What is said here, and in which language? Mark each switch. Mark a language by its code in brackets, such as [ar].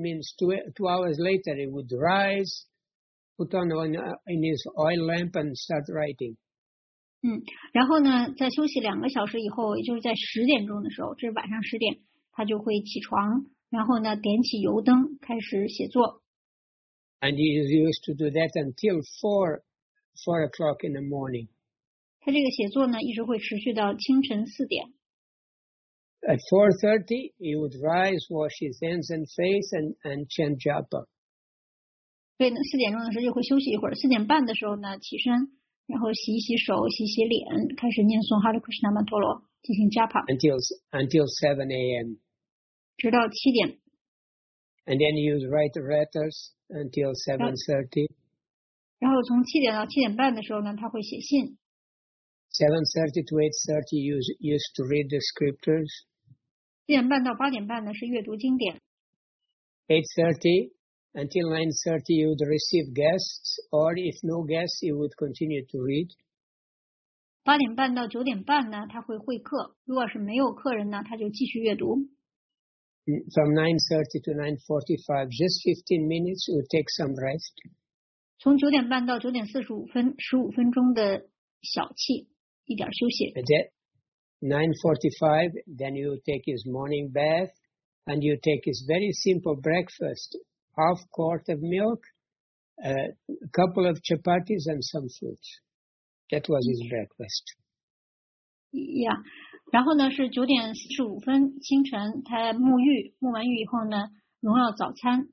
[en] means two hours later, he would rise, put on his oil lamp and start writing. [zh] 然后呢在休息两个小时以后，也就是在十点钟的时候，这是晚上十点，他就会起床，然后呢点起油灯开始写作。 [en] And he used to do that until 4 4 o'clock in the morning. [zh] 他这个写作呢，一直会持续到清晨四点。 [en] At 4:30, he would rise, wash his hands and face, and chant japa. [zh] 对，四点钟的时候就会休息一会儿。四点半的时候呢，起身，然后洗洗手，洗洗脸，开始念诵 Hare Krishna Mantra 进行 japa. [en] Until 7 a.m. [zh] 直到七点。 [en] And then he would write letters until 7:30. [zh] 然后从七点到七点半的时候呢，他会写信。 [en] 7:30 to 8:30 used to read the scriptures. 7:30 to 8:30 [zh] 呢是阅读经典。 [en] 8:30 until 9:30 you would receive guests, or if no guests, you would continue to read. 8:30 to 9:30 [zh] 呢他会会客，如果是没有客人呢，他就继续阅读。 [en] From 9:30 to 9:45, just 15 minutes, you would take some rest. 9:30 to 9:45， [zh] 15分钟的小憩。一点休息。 [en] And then 9:45, then you take his morning bath, and you take his very simple breakfast: half quart of milk, a couple of chapatis, and some fruits. That was his breakfast. Yeah. [zh] 然后呢是9:45清晨，他沐浴，沐完浴以后呢，荣耀早餐。